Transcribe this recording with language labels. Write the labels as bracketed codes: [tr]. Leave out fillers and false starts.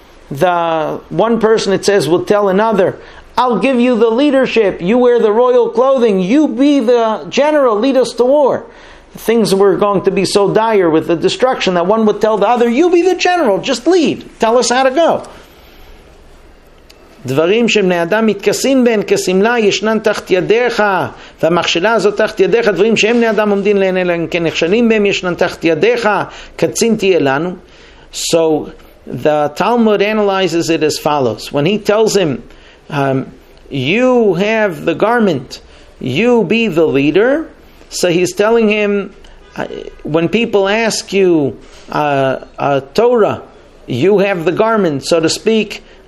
[en] The one person, it says, will tell another, I'll give you the leadership. You wear the royal clothing. You be the general. Lead us to war. Things were going to be so dire with the destruction that one would tell the other, you be the general. Just lead. Tell us how to go. [he] דברים שבני אדם מתכסים בהם כשמלה ישנן תחת ידיך והמכשלה הזאת תחת ידיך דברים שהם בני אדם עומדים לעיני להם כנכשלים בהם ישנן תחת ידיך קצין תהיה לנו. [en] So the Talmud analyzes it as follows. When he tells him, you have the garment, you be the leader. So he's telling him, when people ask you a Torah, you have the garment, so to speak.